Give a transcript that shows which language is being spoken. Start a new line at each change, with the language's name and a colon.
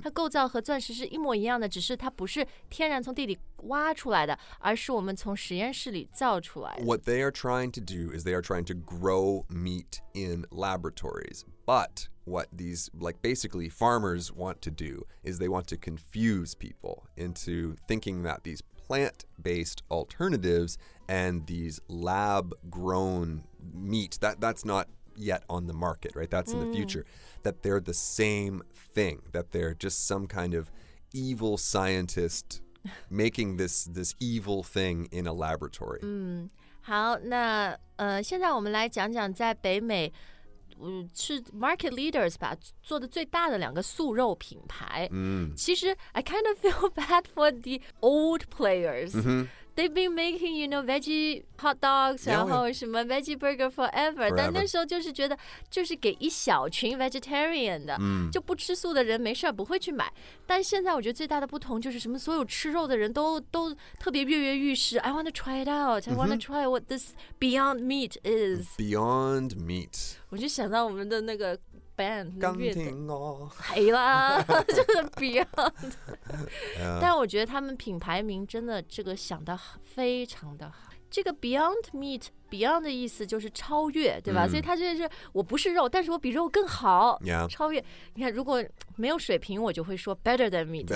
Chinese: 它构造和钻石是一模一样的只是它不是天然从地里挖出来的而是我们从实验室里造出来的
English: What they are trying to do is they are trying to grow meat in laboratories but what these like basically farmers want to do is they want to confuse people into thinking that these plant-based alternatives and these lab-grown meat that's not yet on the market, right? That's in the future. That they're the same thing, that they're just some kind of evil scientist making this evil thing in a laboratory.
Chinese: 好，那现在我们来讲讲在北美是
English: market leaders
Chinese: 吧，做的最大的两个素肉品牌。其实
English: I kind of feel bad for the old players. They've been making, you know, veggie hot dogs,
Chinese: 然后什么
English: veggie burger forever.
Chinese: 但那时候就是觉得就是给一小群 vegetarian 的，就不吃素的人没事不会去买。但现在我觉得最大的不同就是什么所有吃肉的人都特别跃跃欲试。
English: I want to try it out. I want to try what this beyond meat is. Beyond meat.
Chinese: 我就想到我们的那个band 钢听哦黑啦就是 beyond 但我觉得他们品牌名真的这个想得非常的好这个 beyond meat beyond 的意思就是超越对吧、所以他就是我不是肉但是我比肉更好、超越你看如果没有水平我就会说
English: better than meat